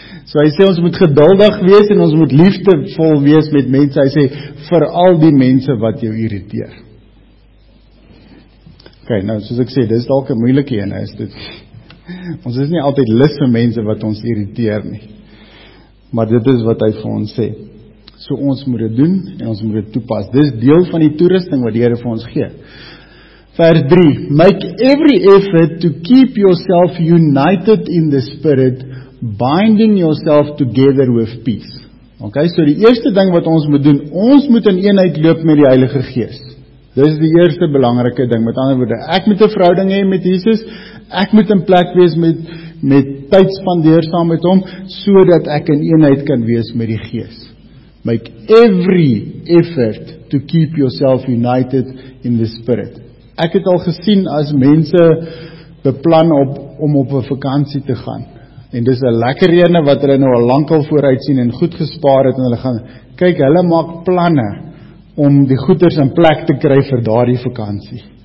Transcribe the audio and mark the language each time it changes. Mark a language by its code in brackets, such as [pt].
[af] So hy sê, ons moet geduldig wees, en ons moet liefdevol wees met mense. Hy sê, vir al die mense wat jou irriteer. Ok, nou, soos ek sê, dit is dalk 'n moeilike een, is dit. Ons is nie altyd lus vir mense wat ons irriteer nie. Maar dit is wat hy vir ons sê. So ons moet dit doen, en ons moet dit toepas. Dit is deel van die toerusting wat die Here vir ons gee. [en] Vers 3, make every effort to keep yourself united in the spirit, binding yourself together with peace. [af] Ok, so die eerste ding wat ons moet doen, ons moet in eenheid loop met die Heilige Gees. Dit is die eerste belangrike ding, met ander woorde, ek moet 'n verhouding hê met Jesus, ek moet in plek wees met tyd spandeer saam met hom, so dat ek in eenheid kan wees met die Gees. [en] Make every effort to keep yourself united in the spirit. [af] Ek het al gesien as mense beplan op, om op 'n vakansie te gaan, En dis 'n lekker ene wat hulle nou al lank al vooruit sien en goed gespaar het en hulle gaan kyk, hulle maak planne om die goeders in plek te kry vir daardie vakansie.